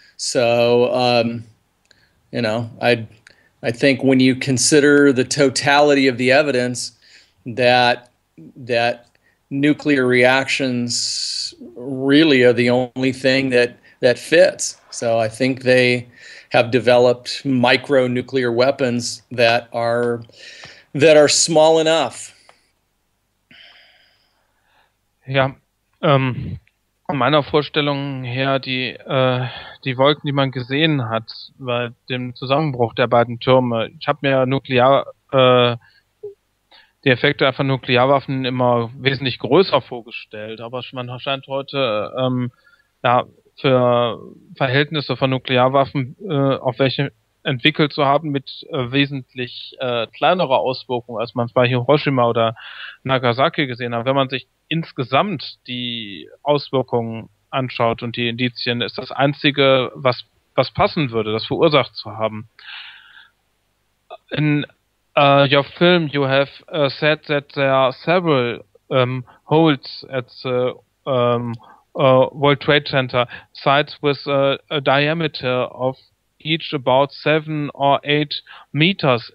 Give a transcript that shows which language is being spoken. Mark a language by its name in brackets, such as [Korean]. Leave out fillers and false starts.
[English] So, I think when you consider the totality of the evidence that nuclear reactions really are the only thing that fits. So I think they have developed micro nuclear weapons that are small enough. [German] Ja, meiner Vorstellung her, die Wolken, die man gesehen hat bei dem Zusammenbruch der beiden Türme, ich habe mir die Effekte von Nuklearwaffen immer wesentlich größer vorgestellt, aber man scheint heute für Verhältnisse von Nuklearwaffen auf welche entwickelt zu haben mit wesentlich kleinerer Auswirkung, als man es bei Hiroshima oder Nagasaki gesehen hat. Wenn man sich insgesamt die Auswirkungen anschaut und die Indizien, ist das Einzige, was passen würde, das verursacht zu haben. [English] Your film, you have said that there are several holes at the World Trade Center sites with a diameter of each about 7 or 8 meters.